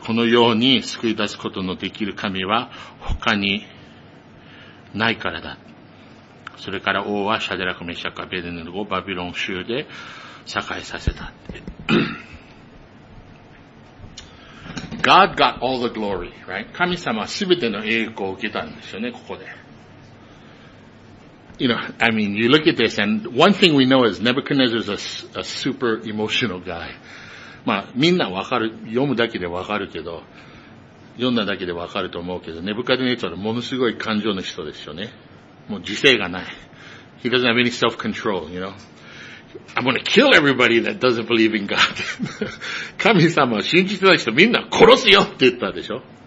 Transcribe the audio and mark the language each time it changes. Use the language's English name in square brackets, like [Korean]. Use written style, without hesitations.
[Japanese] このように救い出すことのできる神は他にないからだ。それから王はシャデラク、メシャク、アベデネゴをバビロン州で栄えさせた。 [English] God got all the glory, right? [Japanese] 神様はすべての栄光を受けたんですよね、ここで。 [English] You know, I mean, you look at this, and one thing we know is Nebuchadnezzar is a super emotional guy. [Japanese] まあ、みんなわかる、読むだけでわかるけど、読んだだけでわかると思うけど、ネブカデネザルはものすごい感情の人ですよね。もう自制がない。 [English] He doesn't have any self-control, you know? I'm gonna kill everybody that doesn't believe in God. [Japanese] 神様を信じてない人みんな殺すよって言ったでしょ。